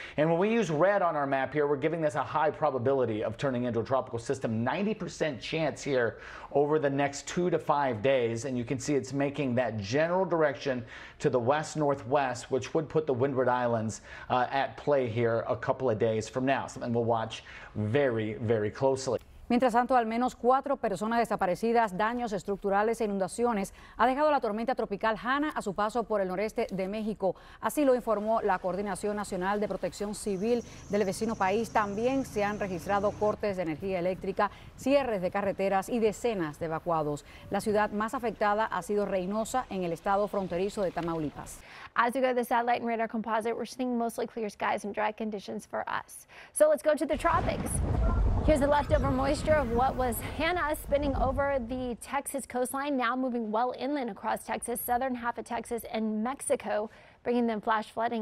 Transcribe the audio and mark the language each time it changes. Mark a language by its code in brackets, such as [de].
[en] And when we use red on our map here, we're giving this a high probability of turning into a tropical system, 90% chance here over the next 2 to 5 days. And you can see it's making that general direction to the west northwest, which would put the Windward Islands at play here a couple of days from now. Something we'll watch very, very closely. [es] Mientras tanto, al menos 4 personas desaparecidas, daños estructurales e inundaciones ha dejado la tormenta tropical Hanna a su paso por el noreste de México. Así lo informó la Coordinación Nacional de Protección Civil del vecino país. También se han registrado cortes de energía eléctrica, cierres de carreteras y decenas de evacuados. La ciudad más afectada ha sido Reynosa, en el estado fronterizo de Tamaulipas. [en] As we go to the satellite and radar composite, we're seeing mostly clear skies and dry conditions for us. So let's go to the tropics. Here's the leftover moisture of what was Hanna spinning over the Texas coastline, now moving well inland across Texas, southern half of Texas, and Mexico. bringing them flash flooding.